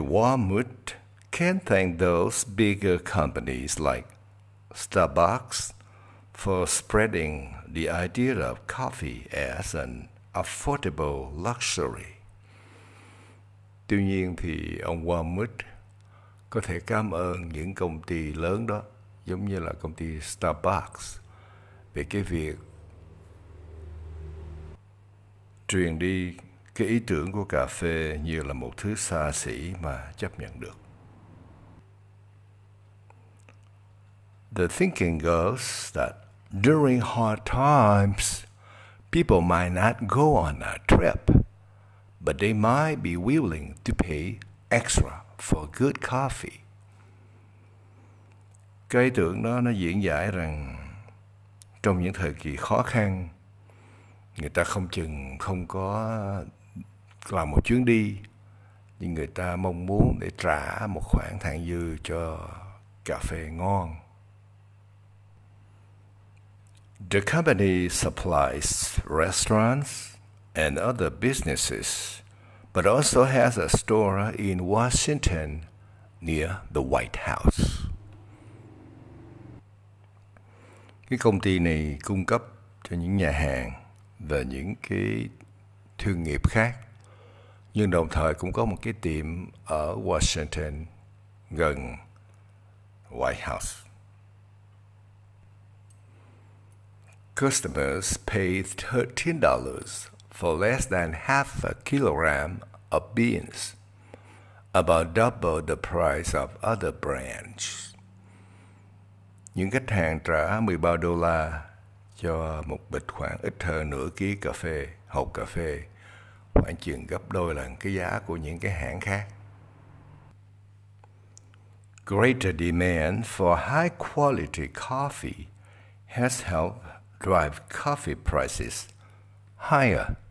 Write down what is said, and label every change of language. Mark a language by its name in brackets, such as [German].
[English] Warmut can't thank those bigger companies like Starbucks for spreading the idea of coffee as an affordable luxury. [Vietnamese] Tuy nhiên thì ông Warmut có thể cảm ơn những công ty lớn đó, giống như là công ty Starbucks, về cái việc truyền đi cái ý tưởng của cà phê như là một thứ xa xỉ mà chấp nhận được. [English] The thinking goes that during hard times, people might not go on a trip, but they might be willing to pay extra for good coffee. [Vietnamese] Cái ý tưởng đó nó diễn giải rằng trong những thời kỳ khó khăn, người ta không chừng không có làm một chuyến đi, nhưng người ta mong muốn để trả một khoản thặng dư cho cà phê ngon. [English] The company supplies restaurants and other businesses, but also has a store in Washington near the White House. [Vietnamese] Cái công ty này cung cấp cho những nhà hàng và những cái thương nghiệp khác, nhưng đồng thời cũng có một cái tiệm ở Washington gần White House. [English] Customers pay $13 for less than half a kilogram of beans, about double the price of other brands. [Vietnamese] Những khách hàng trả $13 cho một bịch khoảng ít hơn nửa ký cà phê, hộp cà phê, khoảng chừng gấp đôi lần cái giá của những cái hãng khác. [English] Greater demand for high-quality coffee has helped drive coffee prices higher.